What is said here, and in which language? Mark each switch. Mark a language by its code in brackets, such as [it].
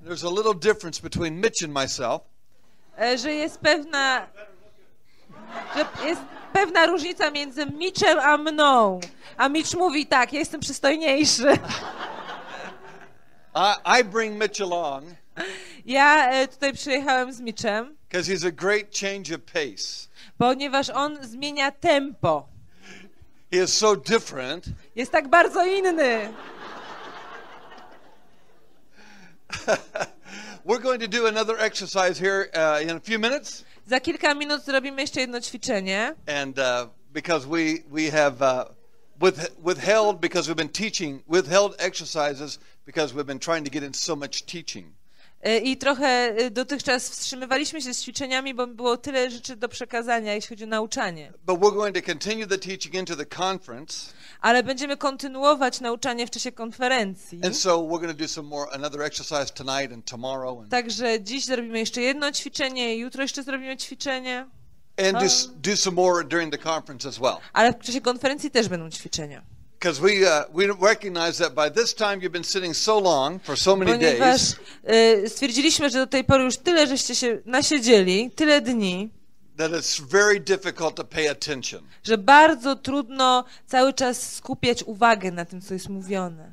[en] There's a little difference between Mitch and myself. [pl] Że jest pewna. Że jest pewna różnica między Mitchem a mną. A Mitch mówi tak, ja jestem przystojniejszy. [en] I bring Mitch along. [pl] Ja tutaj przyjechałem z Mitchem. [en] Because he's a great change of pace. [pl] Ponieważ on zmienia tempo. [en] He is so different. [pl] Jest tak bardzo inny. [en] We're going to do another exercise here in a few minutes. [pl] Za kilka minut zrobimy jeszcze jedno ćwiczenie. [en] And because we have withheld because we've been teaching withheld exercises because we've been trying to get in so much teaching. [pl] I trochę dotychczas wstrzymywaliśmy się z ćwiczeniami, bo było tyle rzeczy do przekazania, jeśli chodzi o nauczanie. [en] But we're going to continue the teaching into the conference. [pl] Ale będziemy kontynuować nauczanie w czasie konferencji. [en] And so we're going to do some more another exercise tonight and tomorrow. [pl] Także dziś zrobimy jeszcze jedno ćwiczenie, jutro jeszcze zrobimy ćwiczenie. [en] And do some more during the conference as well. [pl] Ale w czasie konferencji też będą ćwiczenia. [en] Because we recognize that by this time you've been sitting so long for so many days. [pl] Ponieważ stwierdziliśmy, że do tej pory już tyle żeście się nasiedzieli, tyle dni. [en] That it's very difficult to pay attention. [pl] Że bardzo trudno cały czas skupiać uwagę na tym, co jest mówione.